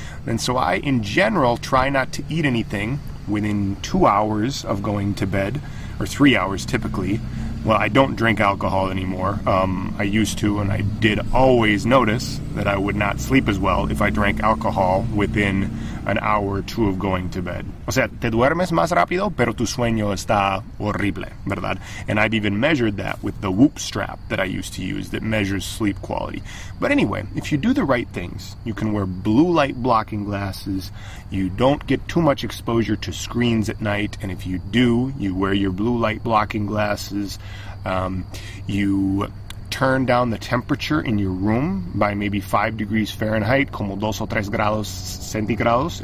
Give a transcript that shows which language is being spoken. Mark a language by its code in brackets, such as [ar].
[en] And so I, in general, try not to eat anything within 2 hours of going to bed, or 3 hours typically. Well, I don't drink alcohol anymore. I used to, and I did always notice that I would not sleep as well if I drank alcohol within an hour or two of going to bed. [es] O sea, te duermes más rápido, pero tu sueño está horrible, ¿verdad? [en] And I've even measured that with the Whoop strap that I used to use that measures sleep quality. But anyway, if you do the right things, you can wear blue light blocking glasses, you don't get too much exposure to screens at night, and if you do, you wear your blue light blocking glasses, you turn down the temperature in your room by maybe 5 degrees Fahrenheit, [es] como 2 o 3 grados centígrados.